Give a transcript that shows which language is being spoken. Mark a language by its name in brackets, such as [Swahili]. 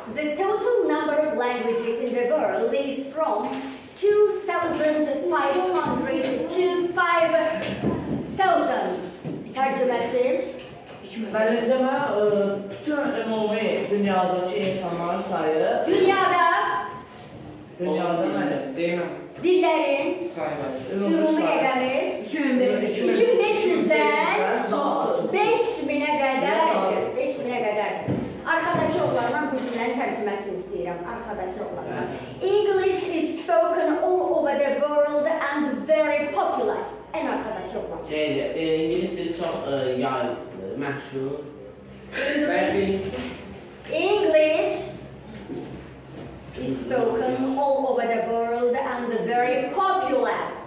[English] The total number of languages in the world is from 2,500 to 5,000. [Azerbaijani] Tərcüməsi? Bəncə mən bütün ümumi dünyadakı insanların sayı. Dünyada? Dünyada mənim. Deyəm. Dillərin? Sayılar. Ümumi rəqəmi? 2500-dən 5000-ə qədərdir. 5000-ə qədərdir. Arxadakı oğlanla bu cümlənin tərcüməsini istəyirəm. Arxadakı oğlanla. [English] English is spoken all over the world and very popular. [Azerbaijani] Ən arxadakı oğlan. İngilis dili çox yayılır, məşhur. [English] English is spoken all over the world and very popular.